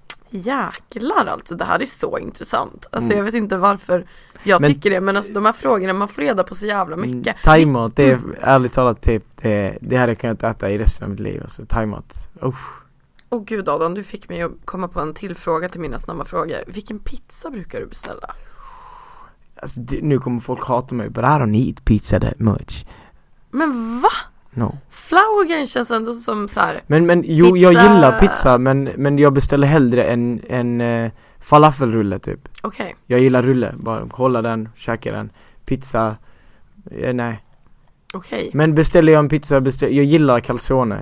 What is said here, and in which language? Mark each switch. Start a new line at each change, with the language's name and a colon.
Swedish: Jäklar alltså, det här är så intressant. Alltså jag vet inte varför jag tycker det. Men alltså de här frågorna, man får reda på så jävla mycket. Thai-mat, det är ärligt talat typ det här jag kunnat äta i resten av mitt liv. Alltså thai-mat. Åh gud Adam, du fick mig att komma på en till fråga till mina snabba frågor. Vilken pizza brukar du beställa? Alltså nu kommer folk hata mig.
English: But I don't eat pizza that much.
Swedish: Men va?
English: No.
Swedish: Flowergen känns ändå som så här. Men jo, pizza. Jag gillar pizza, men jag beställer hellre en falafelrulle typ. Okej. Okay. Jag gillar rulle, bara hålla den, käka den. Pizza. Nej. Okej. Okay. Men beställer jag en pizza, jag gillar calzone.